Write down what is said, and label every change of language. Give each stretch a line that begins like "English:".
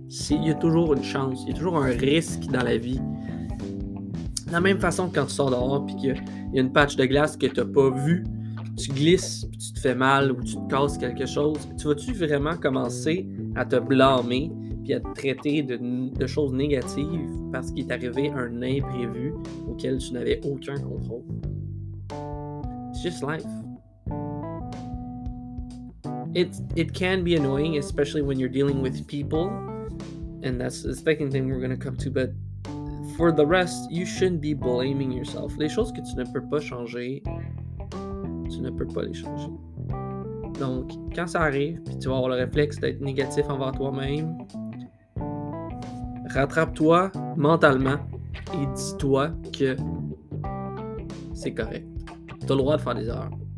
French: Il y a toujours une chance, il y a toujours un risque dans la vie. De la même façon que quand tu sors dehors et qu'il y a une patch de glace que tu n'as pas vue, tu glisses, puis tu te fais mal ou tu te casses quelque chose, tu vas-tu vraiment commencer à te blâmer puis à te traiter de choses négatives parce qu'il est arrivé un imprévu auquel tu n'avais aucun contrôle?
English: It's just life. It can be annoying, especially when you're dealing with people, and that's the second thing we're going to come to, but for the rest, you shouldn't be blaming yourself.
French: Les choses que tu ne peux pas changer, tu ne peux pas les changer. Donc, quand ça arrive, puis tu vas avoir le réflexe d'être négatif envers toi-même, rattrape-toi mentalement et dis-toi que c'est correct. T'as le droit de faire des erreurs.